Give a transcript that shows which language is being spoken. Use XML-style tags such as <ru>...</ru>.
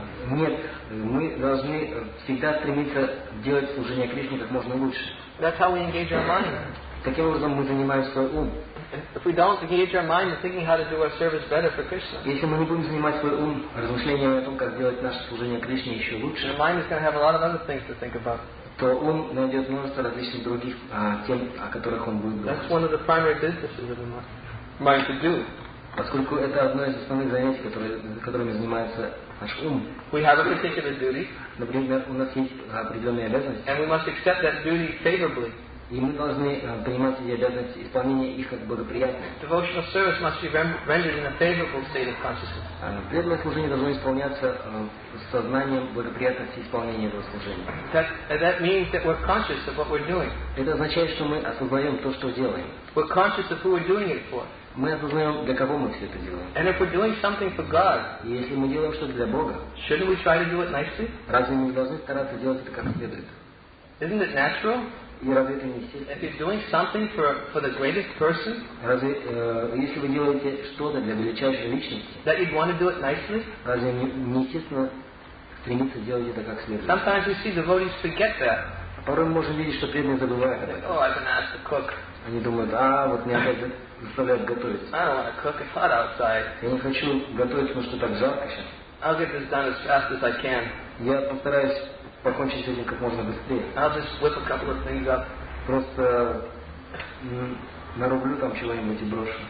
<ru>Нет, мы должны всегда стремиться делать служение Кришне как можно лучше.</ru> <en>That's how we engage our mind.</en> <ru>Таким образом мы занимаем свой ум.</ru> <en>If we don't engage our mind in thinking how to do our service better for Krishna,</en> <ru>если мы не будем занимать свой ум размышлением о том, как делать наше служение Кришне еще лучше,</ru> <en>our mind is going to have a lot of other things to think about.</en> <ru>То он найдет множество различных других тем, о которых он будет говорить.</ru> <en>That's one of the primary businesses of the mind to do.</en> <ru>Поскольку это одно из основных занятий, которыми занимается наш ум.</ru> <en>We have a particular duty.</en> <ru>Например, у нас есть определенные обязанности.</ru> <en>And we must accept that duty favorably.</en> <ru>И мы должны принимать эти обязанности, исполнение их как благоприятно.</ru> <en>Devotional service must be rendered in a favorable state of consciousness.</en> <ru>Преданное служение должно исполняться с сознанием благоприятности исполнения этого служения.</ru> <en>That means that we're conscious of what we're doing.</en> <ru>Это означает, что мы осознаем то, что делаем.</ru> <en>We're conscious of who we're doing it for.</en> <ru>Мы осознаем, для кого мы все это делаем.</ru> <en>And if we're doing something for God,</en> <ru>и если мы делаем что-то для Бога,</ru> <en>shouldn't we try to do it nicely?</en> <ru>Разве мы не должны стараться делать это как следует?</ru> <en>Isn't it natural?</en> <ru>И разве это не естественно?</ru> <en>If you're doing something for the greatest person,</en> <ru>разве если вы делаете что-то для величайшей личности,</ru> <en>that you'd want to do it nicely?</en> <ru>Разве не естественно стремиться делать это как следует?</ru> <en>Sometimes you see devotees forget that.</en> <ru>Порой мы можем видеть, что преданные забывают об этом.</ru> <en>Oh, I've been asked to cook.</en> <ru>Они думают, вот мне опять заставляют готовить.</ru> <en>I don't want to cook, it's hot outside.</en> <ru>Я не хочу готовить, потому что так жарко сейчас.</ru> <en>I'll get this done as fast as I can.</en> <ru>Я постараюсь покончить с этим как можно быстрее.</ru> <en>I'll just whip a couple of things up.</en> <ru>Просто нарублю там чего-нибудь и брошу.</ru>